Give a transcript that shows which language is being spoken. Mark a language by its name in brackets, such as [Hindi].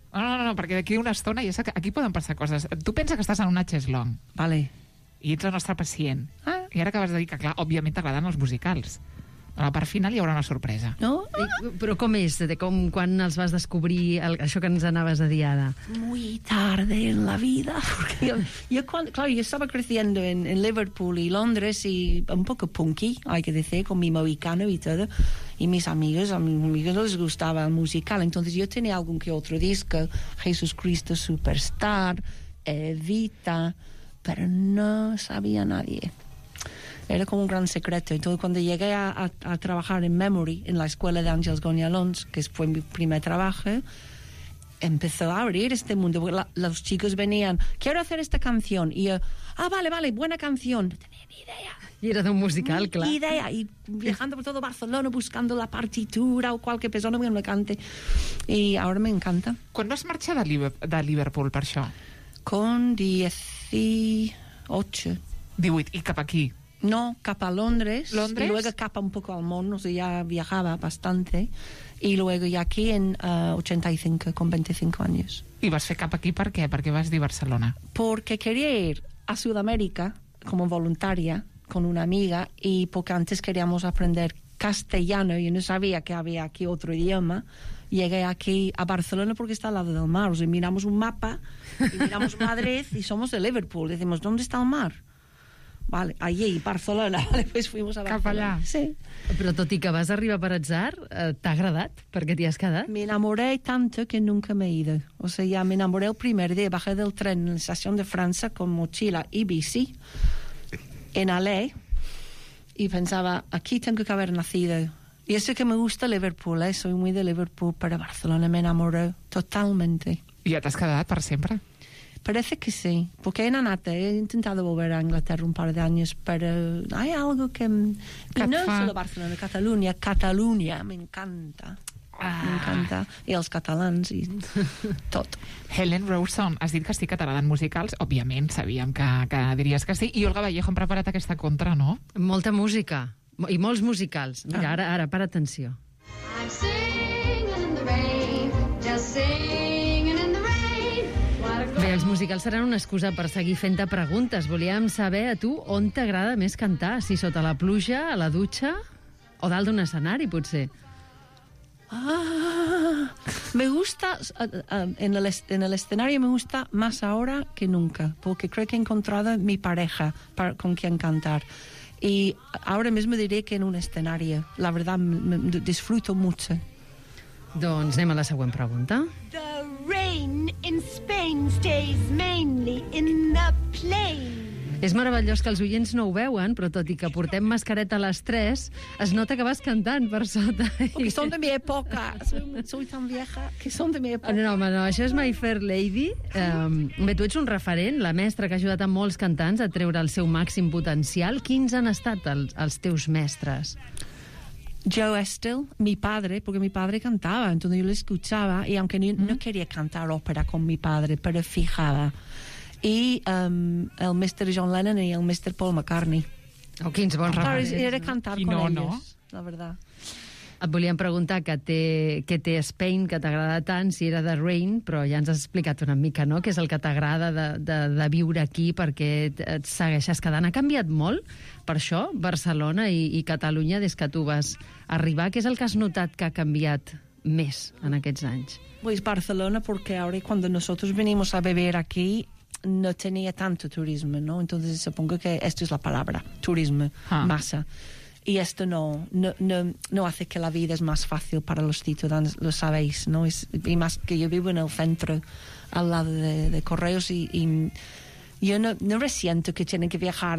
[Catalan] No, perquè d'aquí una estona ja sé que aquí poden passar coses. Tu pensa que estàs en una cheslong. Vale. I ets la nostra pacient. I ara acabes de dir que, clar, òbviament t'agraden els musicals. A la part final hi haurà una sorpresa. No? Però com és? Com quan els vas descobrir, això que ens anaves a dir ara? [Spanish] Muy tarde en la vida. Yo estaba creciendo en Liverpool y Londres y un poco punky, hay que decir, con mi moicano y todo. Y a mis amigos no les gustaba el musical. Entonces yo tenía algún que otro disco, Jesús Cristo Superstar, Evita, pero no sabía nadie. era como un gran secreto. Entonces, cuando llegué a trabajar en Memory, en la escuela de Ángels Gonyalons, que fue mi primer trabajo, empezó a abrir este mundo. Los chicos venían, quiero hacer esta canción. Y yo, ah, vale, vale, buena canción. No tenía ni idea. Y era de un musical, claro. Ni idea. Y viajando por todo Barcelona, buscando la partitura o cualquier persona que me cante. Y ahora me encanta. [Catalan] ¿Quan vas marxar de Liverpool, per això? [Spanish] Con 18. [Catalan] 18. ¿Y cap aquí? No, cap a Londres. ¿Londres? [Spanish] Y luego cap un poco [Catalan] al món, [Spanish] o sea, ya viajaba bastante. Y luego ya aquí en 85, con 25 años. [Catalan] ¿Y vas fer cap aquí per què? ¿Per què vas dir Barcelona? [Spanish] Porque quería ir a Sudamérica como voluntaria con una amiga y porque antes queríamos aprender castellano y no sabía que había aquí otro idioma. Llegué aquí a Barcelona porque está al lado del mar. O sea, miramos un mapa y miramos Madrid y somos de Liverpool. Decimos, ¿dónde está el mar? Vale, allí, Barcelona. Vale, pues fuimos a Barcelona. [Catalan] Cap allà. Sí. Però tot i que vas arribar per atzar, t'ha agradat? Perquè t'hi has quedat? [Spanish] Me enamoré tanto que nunca me he ido. O sea, ya me enamoré el primer día. Bajé del tren en la estación de França con mochila y bici en Alé y pensaba, aquí tengo que haber nacido. Y eso que me gusta Liverpool, soy muy de Liverpool, pero Barcelona me enamoró totalmente. ¿Y ya te has quedado para siempre? Parece que sí, porque en Anate he intentado volver a Inglaterra un par de años, pero hay algo que... Y no solo Barcelona, Cataluña, Cataluña, me encanta. Ah. Me encanta. Y los catalans y todo. [Catalan] Helen Rowson, [Spanish] has dicho [Catalan] que estic catalana en musicals. Òbviament, sabíem que diries que sí. I Olga Vallejo, hem preparat aquesta contra, no? Molta música. I molts musicals. Mira, ah. ara para atenció. [English] I'm singing in the rain, just singing in the rain. [Catalan] Bé, els musicals seran una excusa per seguir fent-te preguntes. Volíem saber a tu on t'agrada més cantar, si sota la pluja, a la dutxa o dalt d'un escenari, potser. [Spanish] Ah, me gusta en el escenario, me gusta más ahora que nunca, porque creo que he encontrado mi pareja con quien cantar. Y ahora mismo diré que en un escenario, la verdad, disfruto mucho. [Catalan] Doncs anem a la següent pregunta. [English] The rain in Spain stays mainly in the plain. [Catalan] És meravellós que els oients no ho veuen, però tot i que portem mascareta a les 3, es nota que vas cantant per sota. [Spanish] Porque son de mi época. Soy tan vieja que son de mi época. [Catalan] No, home, no, això és My Fair Lady. Bé, tu ets un referent, la mestra que ha ajudat a molts cantants a treure el seu màxim potencial. Quins han estat els teus mestres? [Spanish] Joe Estill, mi padre, porque mi padre cantaba, entonces yo lo escuchaba, y aunque no quería cantar ópera con mi padre, pero fijaba. Y el Mr. John Lennon y el Mr. Paul McCartney. [Catalan] Oh, quins bons referents. [Spanish] Era cantar con ellos, no? La verdad. [Catalan] Et volíem preguntar que té Spain, que t'agrada tant, si era The Rain, però ja ens has explicat una mica, no?, què és el que t'agrada de viure aquí, perquè et segueixes quedant. Ha canviat molt, per això, Barcelona i Catalunya, des que tu vas arribar. Què és el que has notat que ha canviat més en aquests anys? [Spanish] Pues Barcelona, porque ahora cuando nosotros venimos a beber aquí, no tenía tanto turismo, ¿no? Entonces supongo que esto es la palabra, turismo, masa. Y esto no hace que la vida es más fácil para los ciudadanos, lo sabéis, ¿no? Y más que yo vivo en el centro, al lado de Correos, y yo no resiento que tienen que viajar.